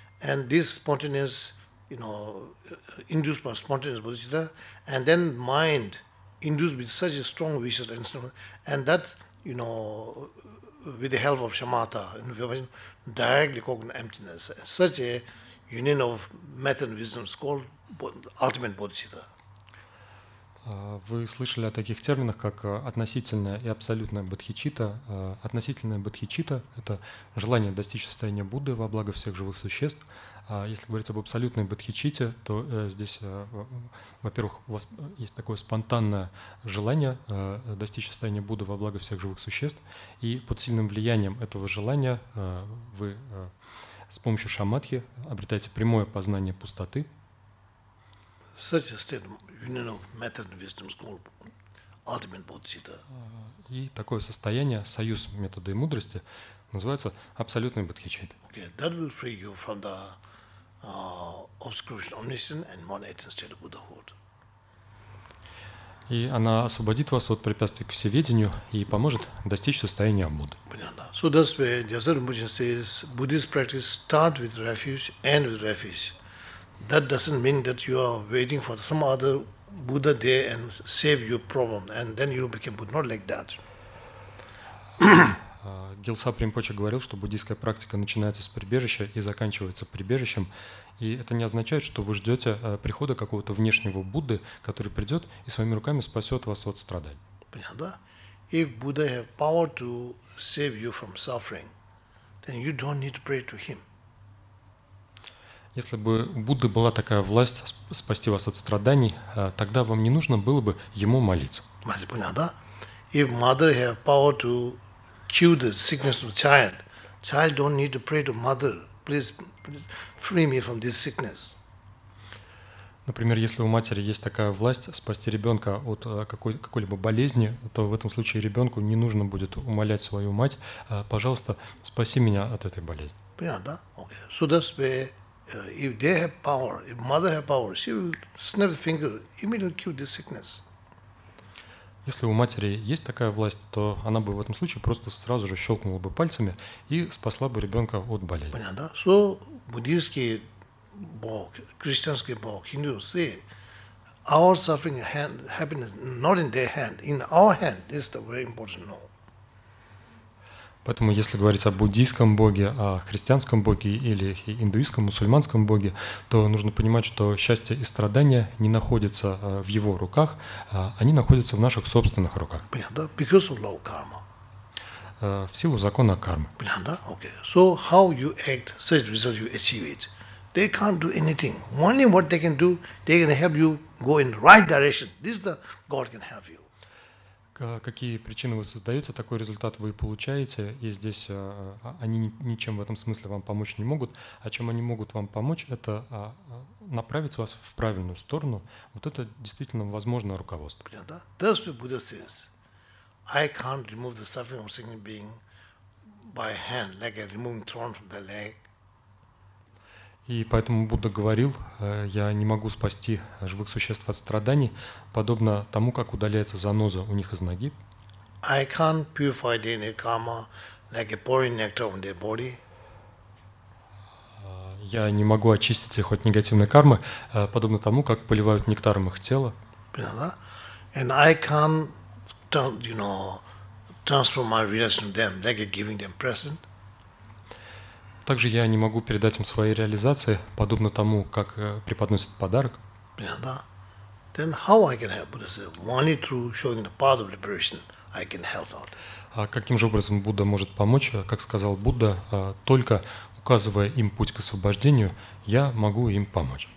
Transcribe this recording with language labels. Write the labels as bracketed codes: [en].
[en] And this spontaneous, you know, induced by spontaneous bodhicitta, and then mind induced with such a strong vicious instrument, and that, you know, with the help of shamatha, directly cognitive emptiness, such a union of method and wisdom is called ultimate bodhicitta. [ru] Вы слышали о таких терминах, как относительная и абсолютная бодхичитта. Относительная бодхичитта – это желание достичь состояния Будды во благо всех живых существ. Если говорить об абсолютной бодхичитте, то здесь, во-первых, у вас есть такое спонтанное желание достичь состояния Будды во благо всех живых существ, и под сильным влиянием этого желания вы с помощью шамадхи обретаете прямое познание пустоты. [en] Such a state of union of method and wisdom is called ultimate bodhicitta. [ru] И такое состояние, союз метода и мудрости, называется абсолютный бодхичитта. [en] Okay, that will free you from the obscuration omniscient and one eighth state of Buddhahood. [ru] И она освободит вас от препятствий к всеведению и поможет достичь состояния Будды. Понятно. [en] So that's where Jasar Mujin says Buddhist practice start with refuge, end with refuge. That doesn't mean that you are waiting for some other Buddha there and save your problem and then you become Buddha. Not like that. [ru] Гелсап Ринпоче говорил, что буддийская практика начинается с прибежища и заканчивается прибежищем. И это не означает, что вы ждете прихода какого-то внешнего Будды, который придет и своими руками спасет вас от страданий. Понятно, да? [en] If Buddha have power to save you from suffering, then you don't need to pray to him. [ru] Если бы у Будды была такая власть спасти вас от страданий, тогда вам не нужно было бы ему молиться. Понятно, да? [en] If mother have power to cure the sickness of child, child don't need to pray to mother, please free me from this sickness. [ru] Например, если у матери есть такая власть спасти ребенка от какой-либо болезни, то в этом случае ребенку не нужно будет умолять свою мать, пожалуйста, спаси меня от этой болезни. Понятно, да? [en] Okay. So that's where, if they have power, if mother have power, she will snap the finger, immediately cure this sickness. [ru] Если у матери есть такая власть, то она бы в этом случае просто сразу же щелкнула бы пальцами и спасла бы ребенка от болезни. Понятно, да? [en] So, [ru] буддийский бог, христианский бог, [en] hindu say, our suffering and happiness not in their hand, in our hand, this is the very important law. [ru] Поэтому, если говорить о буддийском боге, о христианском боге или индуистском, мусульманском боге, то нужно понимать, что счастье и страдания не находятся в его руках, они находятся в наших собственных руках. Понятно, да? [en] Because of law karma. [ru] В силу закона кармы. Понятно, да? [en] Okay. So how you act, such result you achieve it. They can't do anything. Only what they can do, they can help you go in the right direction. This is the God can help you. [ru] Какие причины вы создаете, такой результат вы получаете, и здесь они ничем в этом смысле вам помочь не могут. А чем они могут вам помочь, это направить вас в правильную сторону. Вот это действительно возможно руководство. Понятно? [en] That's what Buddha says. I can't remove the suffering of a single being by hand, like I'm removing thorn from the leg. [ru] И поэтому Будда говорил, я не могу спасти живых существ от страданий, подобно тому, как удаляется заноза у них из ноги. [en] I can't purify the inner karma like a pouring nectar on their body. [ru] Я не могу очистить их от негативной кармы, подобно тому, как поливают нектаром их тело. Понятно? [en] And I can't, you know, transfer my relation to them like giving them present. [ru] Также я не могу передать им свои реализации, подобно тому, как преподносят подарок. Понятно, да? [en] Then how I can help Buddha say, only through showing the path of liberation, I can help out. [ru] А каким же образом Будда может помочь? Как сказал Будда, только указывая им путь к освобождению, я могу им помочь.